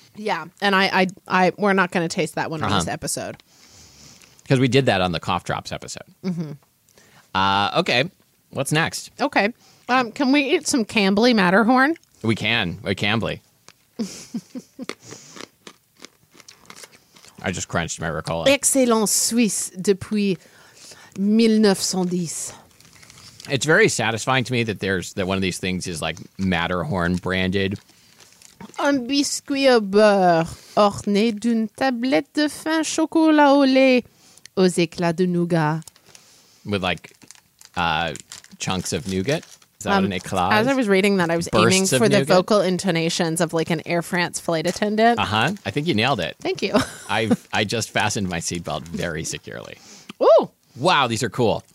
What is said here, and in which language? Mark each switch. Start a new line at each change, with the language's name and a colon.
English: Yeah, and I we're not going to taste that one on this episode. Because we did that on the cough drops episode. Mm-hmm. Okay, what's next? Okay, can we eat some Cambly Matterhorn? We can, a Cambly. I just crunched my Ricola.
French: Excellent Suisse depuis 1910.
English: It's very satisfying to me that one of these things is like Matterhorn branded.
French: Un biscuit au beurre orné d'une tablette de fin chocolat au lait aux éclats de nougat.
English: With like chunks of nougat? Is that an éclat? As I was reading that, I was bursts aiming for the vocal intonations of like an Air France flight attendant. Uh-huh. I think you nailed it. Thank you. I just fastened my seatbelt very securely. Ooh. Wow, these are cool.